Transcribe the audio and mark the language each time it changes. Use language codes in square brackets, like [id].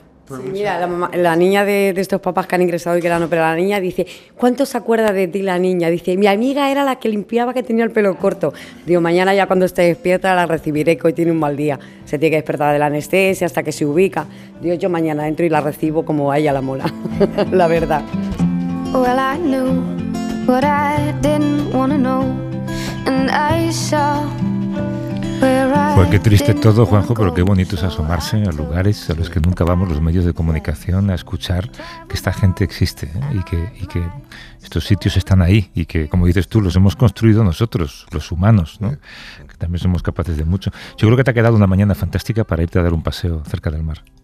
[es] Sí, mira, la niña de estos papás que han ingresado y que la han operado, la niña dice, ¿cuánto se acuerda de ti la niña? Dice, mi amiga era la que limpiaba, que tenía el pelo corto. Digo, mañana ya cuando esté despierta la recibiré, que hoy tiene un mal día. Se tiene que despertar de la anestesia hasta que se ubica. Digo, yo mañana entro y la recibo como a ella la mola, la verdad. [en] Well, I knew what I didn't wanna know, and I saw. [es] Pues qué triste todo, Juanjo, pero qué bonito es asomarse a lugares a los que nunca vamos los medios de comunicación a escuchar que esta gente existe, ¿eh? y que estos sitios están ahí y que, como dices tú, los hemos construido nosotros, los humanos, ¿no? Que también somos capaces de mucho. Yo creo que te ha quedado una mañana fantástica para irte a dar un paseo cerca del mar.